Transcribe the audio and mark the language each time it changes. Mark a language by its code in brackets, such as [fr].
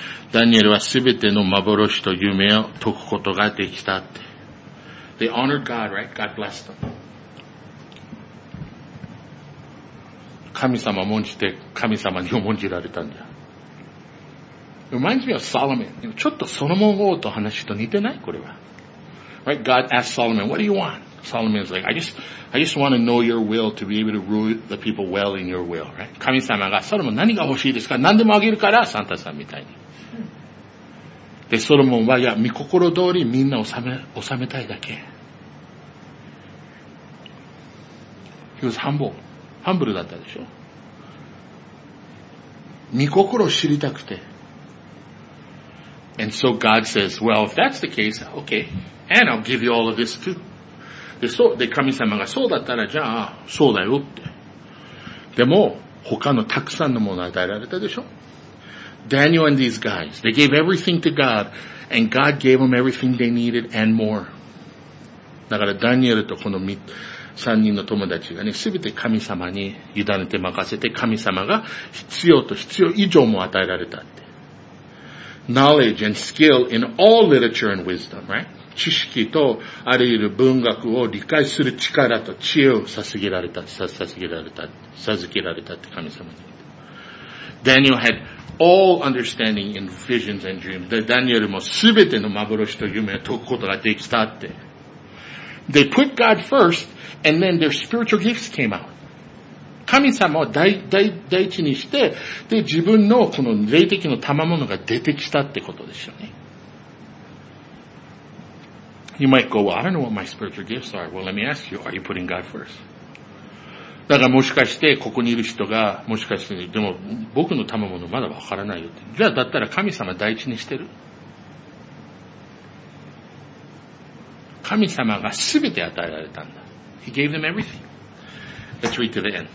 [ja] ダニエルはすべての幻と夢を解くことができたって。 [en] They honored God, right? God blessed them. [ja] 神様を重んじて神様に重んじられたんだ。 [en] It reminds me of Solomon. [ja] ちょっとソロモン王と話と似てないこれは。 [en] Right? God asked Solomon, what do you want? Solomon's like, I just want to know your will to be able to rule the people well in your will. Right? [ja] 神様がソロモン何が欲しいですか、何でもあげるからサンタさんみたいに。で、ソロモンはいや、御心通りみんな治めたいだけ。 [en] He was humble. [ja] ハンブルだったでしょ。御心を知りたくて。 [en] And so God says, well, if that's the case, okay, and I'll give you all of this too. [ja] で、そう、で、神様がそうだったら、じゃあ、そうだよって。でも、他のたくさんのものを与えられたでしょ。 [en] Daniel and these guys, they gave everything to God, and God gave them everything they needed and more. [ja] だから、ダニエルとこの三人の友達がね、すべて神様に委ねて任せて、神様が必要と必要以上も与えられたって。 [en] Knowledge and skill in all literature and wisdom, right? [ja] 知識とあらゆる文学を理解する力と知恵を授けられたって神様に。 [en] Daniel had all understanding in visions and dreams. [ja] ダニエルもすべての幻と夢を解くことができたって。 [en] They put God first, and then their spiritual gifts came out. [ja] 神様を第一にして、で、自分のこの霊的の賜物が出てきたってことですよね。 [en] You might go, well, I don't know what my spiritual gifts are. Well, let me ask you, are you putting God first? [ja] だからもしかして、ここにいる人が、もしかして、でも僕の賜物まだわからないよって。じゃあだったら神様第一にしてる。神様がすべて与えられたんだ。 [en] He gave them everything. Let's read to the end.